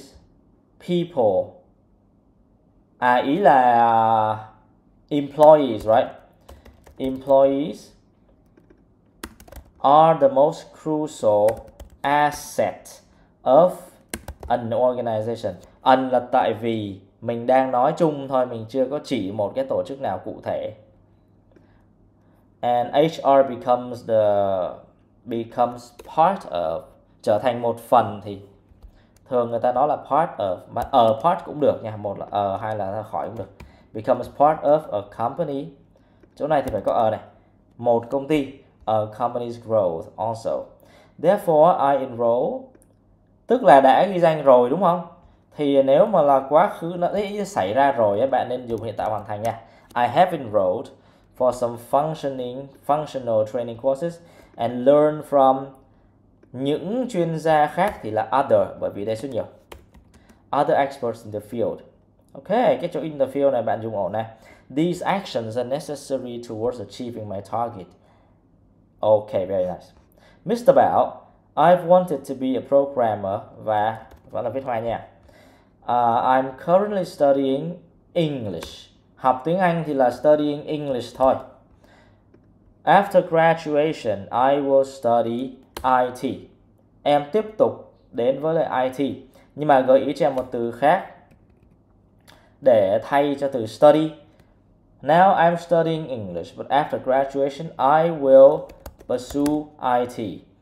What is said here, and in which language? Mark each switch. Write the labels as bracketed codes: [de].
[en] Nowadays, people [vi] à ý là [en] employees, right? Employees are the most crucial asset of an organization. [vi] An là tại vì mình đang nói chung thôi, mình chưa có chỉ một cái tổ chức nào cụ thể. And HR trở thành một phần, thì thường người ta nói là part of, mà part cũng được nha, một là hay là khỏi cũng được. [en] Becomes part of a company. [vi] Chỗ này thì phải có này. Một công ty. [en] A company's growth also. Therefore, I enroll. [vi] Tức là đã ghi danh rồi đúng không? Thì nếu mà là quá khứ nó đã xảy ra rồi, bạn nên dùng hiện tại hoàn thành nha. [en] I have enrolled for some functional training courses and learn from [vi] những chuyên gia khác, thì là other, bởi vì đây số nhiều. [en] Other experts in the field. [vi] Ok, cái chỗ in the field này bạn dùng ổn này. [en] These actions are necessary towards achieving my target. Ok, very nice. Mr. Bảo, I've wanted to be a programmer, [vi] và vẫn là viết hoa nha. [en] I'm currently studying English. [vi] Học tiếng Anh thì là studying English thôi. [en] After graduation, I will study IT. [vi] Em tiếp tục đến với lại IT. Nhưng mà gợi ý cho em một từ khác để thay cho từ study. [en] Now I'm studying English, but after graduation, I will pursue IT.